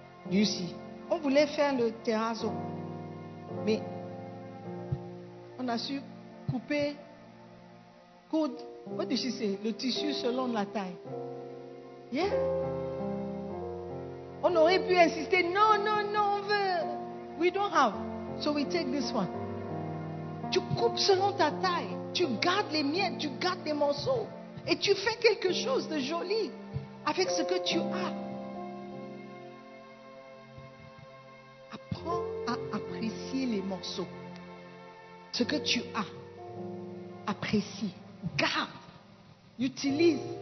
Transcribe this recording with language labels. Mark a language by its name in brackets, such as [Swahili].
[French] Lucie, on voulait faire le terrazzo, mais on a su couper coude. On dit, c'est le tissu selon la taille. Yeah. On aurait pu insister, non, non, non, on veut. [English] We don't have, so we take this one. [French] Tu coupes selon ta taille, tu gardes les miettes, tu gardes les morceaux. Et tu fais quelque chose de joli avec ce que tu as. Apprends à apprécier les morceaux. Ce que tu as, apprécie, garde, utilise.